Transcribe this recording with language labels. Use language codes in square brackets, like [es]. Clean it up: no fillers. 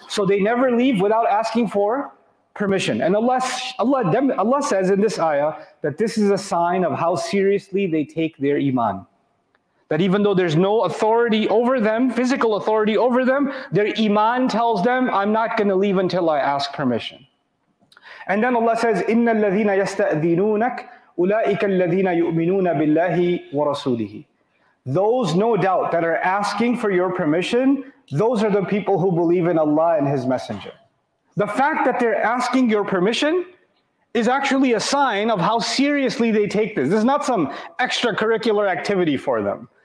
[en] So they never leave without asking for permission. And Allah says in this ayah that this is a sign of how seriously they take their iman. That even though there's no authority over them, physical authority over them, their iman tells them, I'm not going to leave until I ask permission. And then Allah says, [ar] إِنَّ الَّذِينَ يَسْتَأْذِنُونَكَ أُولَٰئِكَ الَّذِينَ يُؤْمِنُونَ بِاللَّهِ وَرَسُولِهِ. [en] Those, no doubt, that are asking for your permission, those are the people who believe in Allah and His Messenger. The fact that they're asking your permission is actually a sign of how seriously they take this. This is not some extracurricular activity for them.